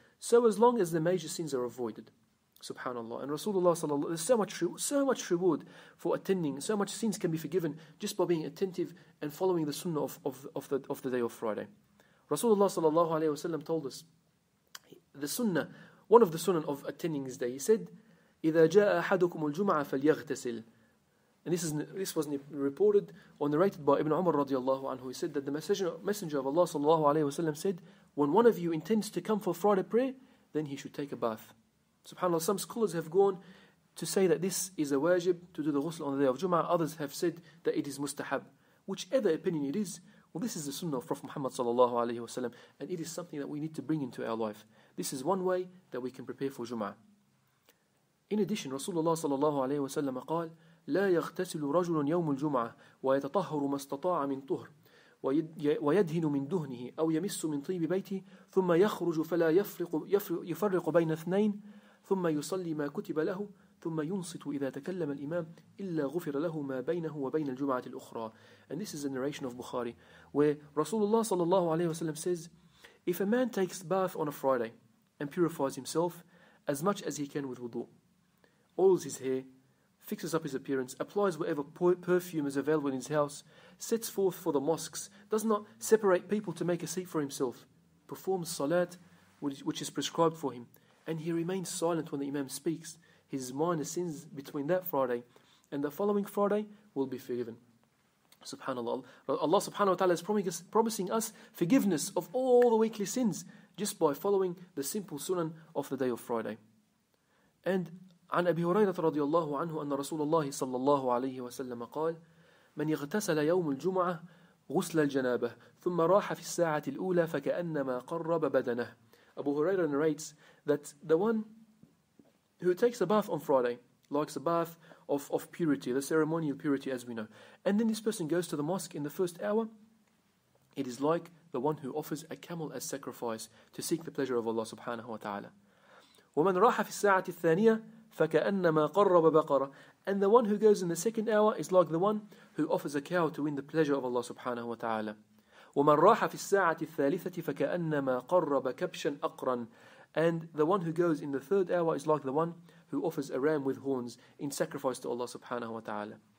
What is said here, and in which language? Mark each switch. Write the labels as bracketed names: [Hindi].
[English] So as long as the major sins are avoided, subhanallah. And Rasulullah sallallahu, there's so much reward for attending. So much sins can be forgiven just by being attentive and following the sunnah of the day of Friday. Rasulullah sallallahu alayhi wa sallam told us the sunnah, one of the sunnah of attending this day. He said, [Arabic] إِذَا جَاءَ أَحَدُكُمُ الْجُمْعَةَ فَلْيَغْتَسِلْ. [English] And this was reported or narrated by Ibn Umar radiallahu anhu. He said that the messenger of Allah sallallahu alayhi wa sallam said, when one of you intends to come for Friday prayer, then he should take a bath. SubhanAllah, some scholars have gone to say that this is a wajib to do the ghusl on the day of Jum'ah. Others have said that it is mustahab. Whichever opinion it is, well, this is the sunnah of Prophet Muhammad sallallahu alayhi wa sallam. And it is something that we need to bring into our life. This is one way that we can prepare for Jum'ah. In addition, [Arabic] Rasulullah sallallahu alayhi wa sallam qal, لا يغتسل رجل يوم الجمعة ويتطهر ما استطاع من طهر ويدهن من دهنه أو يمس من طيب بيته ثم يخرج فلا يفرق بين اثنين ثم يصلي ما كتب له ثم ينصت إذا تكلم الإمام إلا غفر له ما بينه وبين الجمعة الأخرى. [English] And this is a narration of Bukhari where Rasulullah sallallahu alayhi wa sallam says, if a man takes bath on a Friday and purifies himself as much as he can with wudu, oils his hair, fixes up his appearance, applies whatever perfume is available in his house, sets forth for the mosques, does not separate people to make a seat for himself, performs salat, which is prescribed for him, and he remains silent when the imam speaks, his minor sins between that Friday and the following Friday will be forgiven. SubhanAllah. Allah subhanahu wa ta'ala is promising us forgiveness of all the weekly sins just by following the simple sunan of the day of Friday. [Arabic] And عن أبي هريرة رضي الله عنه أن رسول الله صلى الله عليه وسلم قال من اغتسل يوم الجمعة غسل الجنابة ثم راح في الساعة الأولى فكأنما قرب بدنه. [English] Abu Huraira narrates that the one who takes a bath on Friday, likes a bath of purity, the ceremony of purity as we know, and then this person goes to the mosque in the first hour, it is like the one who offers a camel as sacrifice to seek the pleasure of Allah subhanahu wa ta'ala. [Arabic] ومن راح في الساعة الثانية فكأنما قرب بقرة. [English] And the one who goes in the second hour is like the one who offers a cow to win the pleasure of Allah subhanahu wa ta'ala. [Arabic] وَمَنْ رَاحَ فِي السَّاعَةِ الثَّالِثَةِ فَكَأَنَّمَا قَرَّبَ كَبْشًا أَقْرًا. [English] And the one who goes in the third hour is like the one who offers a ram with horns in sacrifice to Allah subhanahu wa ta'ala.